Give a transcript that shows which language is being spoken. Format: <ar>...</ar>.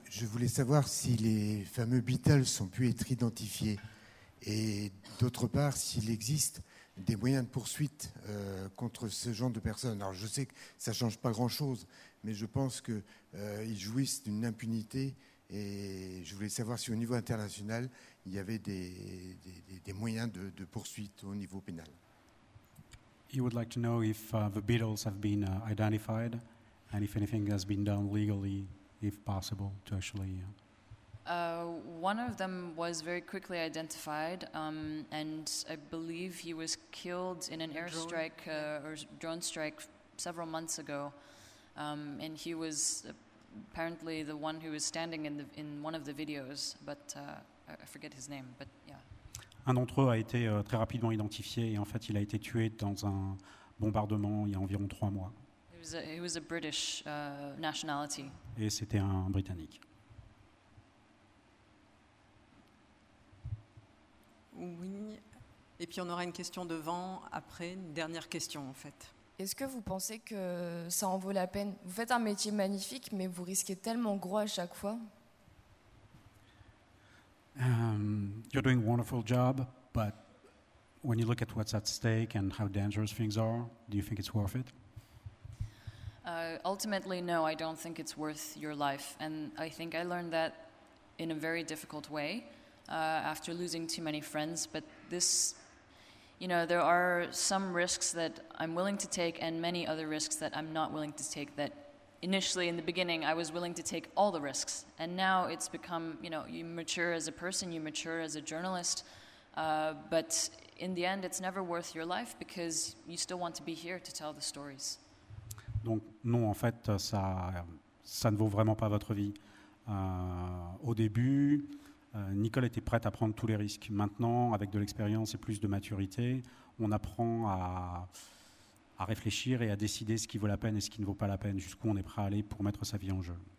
<fr>je voulais savoir si les fameux Beatles ont pu être identifiés et d'autre part s'il existe des moyens de poursuite contre ce genre de personnes. Alors je sais que ça ne change pas grand chose, mais je pense qu'ils jouissent d'une impunité, et je voulais savoir si au niveau international il y avait des moyens de poursuite au niveau pénal.</fr> <en>You would like to know if the Beatles have been identified and if anything has been done legally, if possible, to actually... One of them was very quickly identified, and I believe he was killed in an airstrike or drone strike several months ago. And he was apparently the one who was standing in one of the videos, but I forget his name, but yeah.</en> <fr>Un d'entre eux a été très rapidement identifié, et en fait, il a été tué dans un bombardement il y a environ 3 mois.</fr> <en>He was a British nationality.</en> <fr>Et c'était un Britannique. Oui. Et puis on aura une question devant, après, une dernière question en fait. Est-ce que vous pensez que ça en vaut la peine? Vous faites un métier magnifique, mais vous risquez tellement gros à chaque fois.</fr> <en>You're doing a wonderful job, but when you look at what's at stake and how dangerous things are, do you think it's worth it? Ultimately, no, I don't think it's worth your life. And I think I learned that in a very difficult way after losing too many friends. But this, you know, there are some risks that I'm willing to take and many other risks that I'm not willing to take, that initially in the beginning I was willing to take all the risks. And now it's become, you know, you mature as a person, you mature as a journalist. But in the end, it's never worth your life because you still want to be here to tell the stories.</en> <fr>Donc non, en fait, ça, ça ne vaut vraiment pas votre vie. Au début, Nicole était prête à prendre tous les risques. Maintenant, avec de l'expérience et plus de maturité, on apprend à réfléchir et à décider ce qui vaut la peine et ce qui ne vaut pas la peine, jusqu'où on est prêt à aller pour mettre sa vie en jeu.</fr>